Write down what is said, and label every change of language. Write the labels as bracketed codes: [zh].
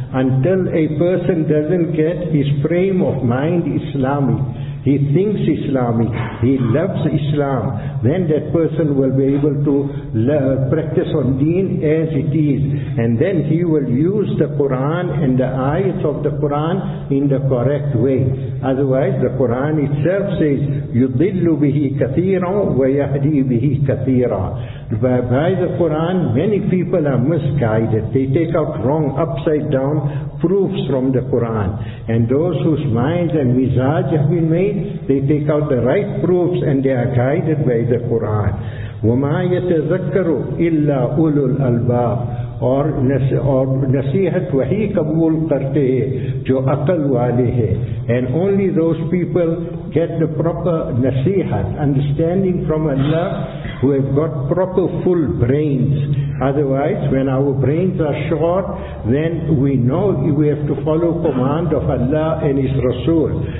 [en] Until a person doesn't get his frame of mind Islamic, he thinks Islamic, he loves Islam, then that person will be able to practice on deen as it is. And then he will use the Quran and the ayats of the Quran in the correct way. Otherwise, the Quran itself says, [ar] يُضِلُّ بِهِ كَثِيرًا وَيَهْدِي بِهِ كَثِيرًا. [en] By the Quran, many people are misguided. They take out wrong, upside down proofs from the Quran. And those whose minds and mizaj have been made, they take out the right proofs and they are guided by the Quran. [ar] وَمَا يَتَذَكَّرُ إِلَّا أُولُو الْأَلْبَابِ. [ur] اور نصیحت وہی قبول کرتے ہیں جو عقل والے ہیں. [en] And only those people get the proper nasihat, understanding from Allah, who have got proper full brains. Otherwise, when our brains are short, then we know we have to follow command of Allah and His Rasul.